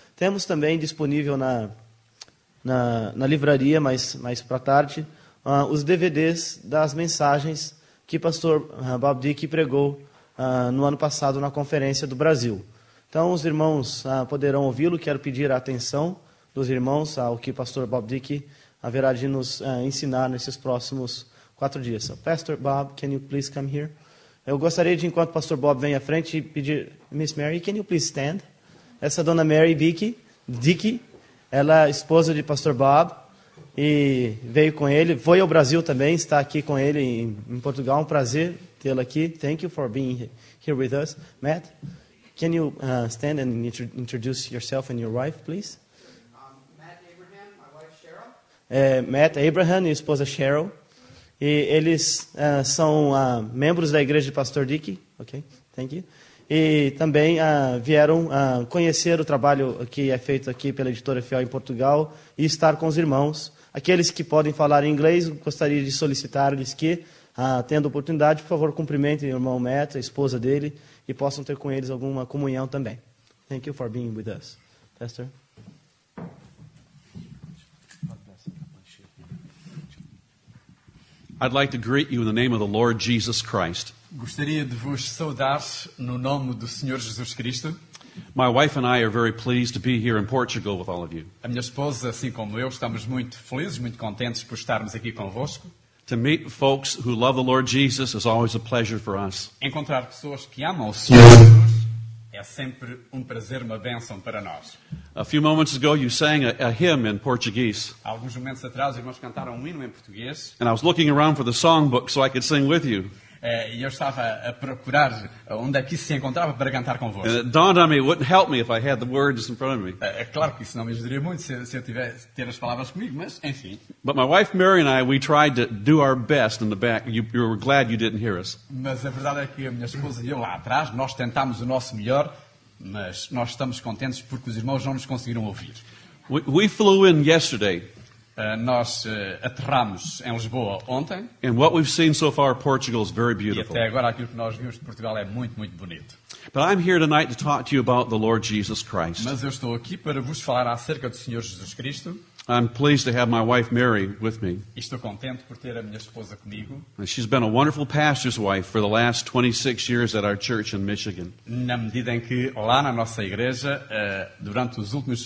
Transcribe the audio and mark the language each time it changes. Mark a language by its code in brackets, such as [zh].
[pt] Temos também disponível na livraria, mais para tarde, os DVDs das mensagens que pastor Bob Dickey pregou no ano passado na conferência do Brasil. Então os irmãos poderão ouvi-lo. Quero pedir a atenção dos irmãos ao que pastor Bob Dickey haverá de nos ensinar nesses próximos 4 dias. [en] So, Pastor Bob, can you please come here? [pt] Eu gostaria de, enquanto pastor Bob vem à frente, pedir, Miss Mary, [en] can you please stand? [pt] Essa dona Mary Dickey, ela é esposa de pastor Bob, e veio com ele, foi ao Brasil também, está aqui com ele em Portugal. Um prazer tê-la aqui. [en] Thank you for being here with us. Matt, can you stand and introduce yourself and your wife, please? [pt] Matt Abraham e esposa Cheryl, e eles são membros da igreja de pastor Dickey, ok? [en] Thank you. [pt] E também vieram conhecer o trabalho que é feito aqui pela editora Fiel em Portugal e estar com os irmãos. Aqueles que podem falar inglês, gostaria de solicitar-lhes que, tendo oportunidade, por favor, cumprimentem o irmão Matt, a esposa dele, e possam ter com eles alguma comunhão também. [en] Thank you for being with us, Pastor. I'd like to greet you in the name of the Lord Jesus Christ. [pt] Gostaria de vos saudar no nome do Senhor Jesus Cristo. [en] My wife and I are very pleased to be here in Portugal with all of you. [pt] A minha esposa, assim como eu, estamos muito felizes, muito contentes por estarmos aqui convosco. [en] To meet folks who love the Lord Jesus is always a pleasure for us. [pt] Encontrar pessoas que amam o Senhor Jesus é sempre um prazer, uma bênção para nós. [en] A few moments ago you sang a hymn in Portuguese. [pt] Alguns momentos atrás irmãos cantaram um hino em português. [en] And I was looking around for the songbook so I could sing with you. [pt] E eu estava a procurar onde é que isso se encontrava para cantar convosco. [en] It dawned on me, it wouldn't help me if I had the words in front of me. [pt] É claro que isso não me ajudaria muito se eu tivesse ter as palavras comigo, mas enfim. [en] But my wife Mary and I, we tried to do our best in the back. You were glad you didn't hear us. [pt] Mas a verdade é que a minha esposa e eu lá atrás, nós tentámos o nosso melhor, mas nós estamos contentes porque os irmãos não nos conseguiram ouvir. [en] We flew in yesterday. [pt] Nós aterramos em Lisboa ontem. [en] And what we've seen so far, Portugal is very beautiful. [pt] E até agora aquilo que nós vimos de Portugal é muito, muito bonito. [en] But I'm here tonight to talk to you about the Lord Jesus Christ. [pt] Mas eu estou aqui para vos falar acerca do Senhor Jesus Cristo. [en] I'm pleased to have my wife Mary with me. [pt] Estou contente por ter a minha esposa comigo. [en] She's been a wonderful pastor's wife for the last 26 years at our church in Michigan. [pt] Na medida em que lá na nossa igreja, durante os últimos